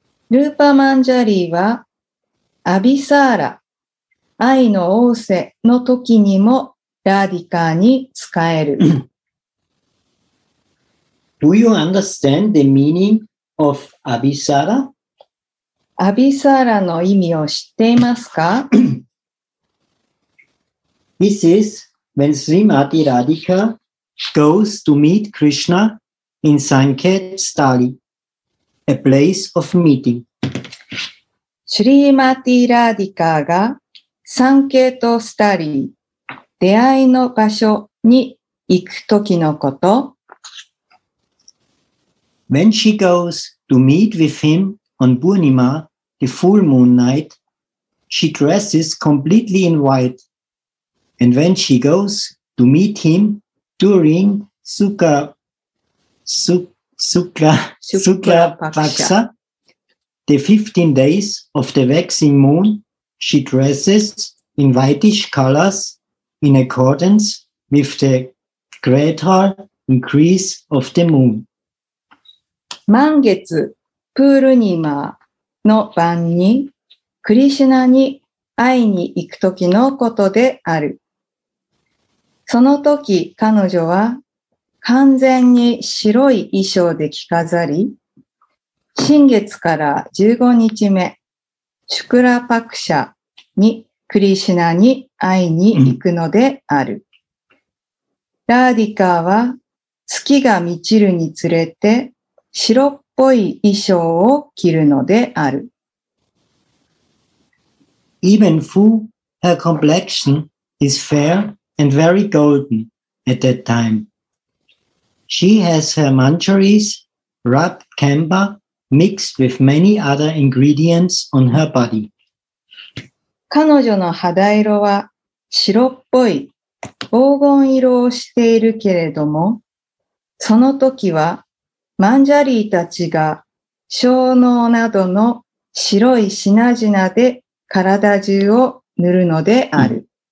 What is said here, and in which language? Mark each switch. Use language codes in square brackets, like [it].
[ja] ルーパマンジャリーはアビサーラ愛の仰せの時にもラディカーに使える。 [en] Do you understand the meaning of アビサーラ？ [ja] アビサーラの意味を知っていますか？ [en] This is when Srimati Radhika goes to meet Krishna. In Sanket Stali, a place of meeting. [ja] シュリーマティ・ラーディカーがサンケート・スタリー、出会いの場所に行くときのこと。 [en] When she goes to meet with him on Purnima, the full moon night, she dresses completely in white. And when she goes to meet him during Shukla Paksha, the 15 days of the waxing moon, she dresses in whitish colors in accordance with the greater increase of the moon. [ja] 満月プールニマーの晩にクリシュナに会いに行くときのことである。その時彼女は完全に白い衣装で着飾り、新月から15日目シュクラパクシャにクリシュナに会いに行くのである。ラーディカーは月が満ちるにつれて白っぽい衣装を着るのである。 [en] Even though her complexion is fair and very golden at that time, she has her manjaris, rubbed camphor, mixed with many other ingredients on her body. [ja] 彼女の肌色は白っぽい黄金色をしているけれども、その時はマンジャリーたちが小脳などの白い品々で体中を塗るのである。